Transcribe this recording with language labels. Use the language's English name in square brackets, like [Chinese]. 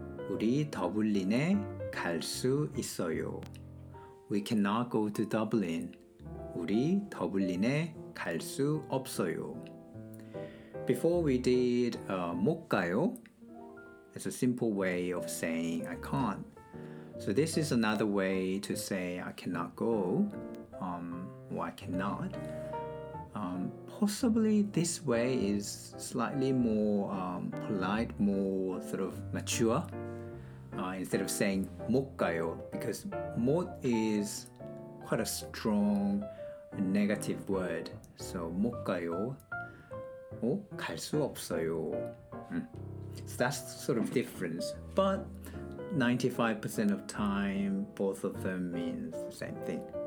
[Korean] 우리 더블린에 갈 수 있어요. [English] We cannot go to Dublin. [Korean] 우리 더블린에 갈 수 없어요. [English] Before we did [Korean] 못 가요. [English] It's a simple way of saying I can't. So this is another way to say I cannot go or I cannot. Possibly this way is slightly more polite, more sort of mature, instead of saying [Korean] 못 가요, [English] because 못 is quite a strong negative word. [Korean] So 못 가요, 갈 수 없어요. [English] So that's sort of difference, but 95% of time, both of them means the same thing.